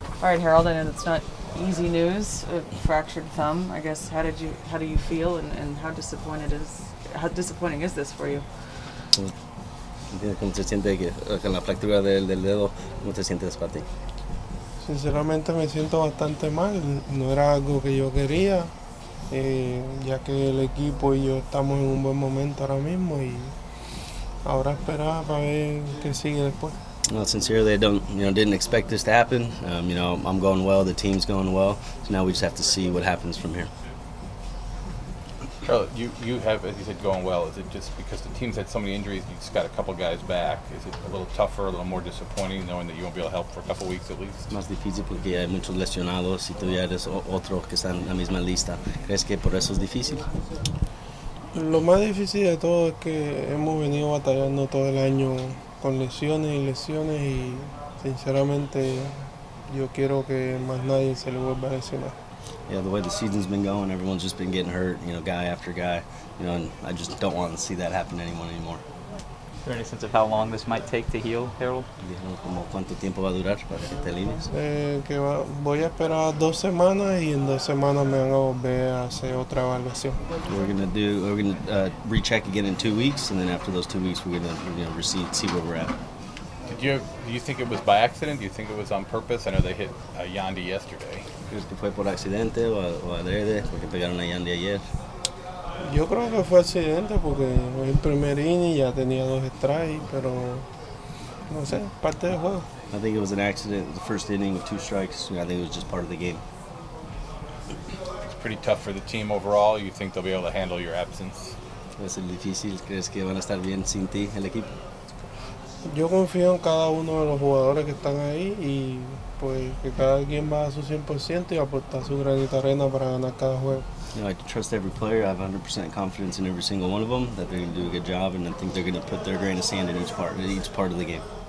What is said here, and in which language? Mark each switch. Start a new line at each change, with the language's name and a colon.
English: All right, Harold, I know that's not easy news, a fractured thumb. I guess, how do you feel, and how disappointed is, how disappointing is this for you?
Spanish: ¿Cómo se siente con la fractura del dedo? ¿Cómo te sientes para ti? Sinceramente, me siento bastante mal. No era algo que yo quería, ya que el equipo y yo estamos en un buen momento ahora mismo, y ahora esperar para ver qué sigue después.
English: Well, sincerely, I don't, you know, didn't expect this to happen. You know, I'm going well, the team's going well. So now we just have to see what happens from here. Charlie, you have, as you said, going well. Is it just because the team's had so many injuries, you just got a couple guys back? Is it a little tougher, a little more disappointing, knowing that you won't be able to help for a couple weeks at least?
Spanish: Más difícil porque hay muchos lesionados y tú ya eres otro que está en la misma lista. ¿Crees que por eso es difícil? Lo más difícil de todo es que hemos venido batallando todo el año con lesiones y lesiones, y sinceramente yo quiero que más nadie se le vuelva a lesionar.
English: Yeah, the way the season's been going, everyone's just been getting hurt, you know, guy after guy, you know, and I just don't want to see that happen to anyone anymore. Is there any sense of how long this might take to heal, Harold?
Spanish: ¿Cómo cuánto tiempo va a durar para que te alinees? Que va, voy a esperar 2 semanas, y en 2 semanas me van a volver a hacer otra evaluación.
English: We're gonna recheck again in 2 weeks, and then after those 2 weeks, we're gonna receive, see where we're at. Do you think it was by accident? Do you think it was on purpose? I know they hit Yandy yesterday.
Spanish: ¿Crees que fue por accidente o adrede? Porque pegaron a Yandy ayer. Yo creo que fue accidente porque el primer inning ya tenía 2 strikes, pero no sé, parte del juego.
English: I think it was an accident, the first inning with 2 strikes. I think it was just part of the game. It's pretty tough for the team overall. You think they'll be able to handle your absence?
Spanish: Es difícil. ¿Crees que van a estar bien sin ti, el equipo? Yo confío en cada uno de los jugadores que están ahí, y pues que cada quien va a su 100% y aportar su granito de arena para ganar cada juego.
English: You know, I trust every player. I have 100% confidence in every single one of them, that they're going to do a good job, and I think they're going to put their grain of sand in each part of the game.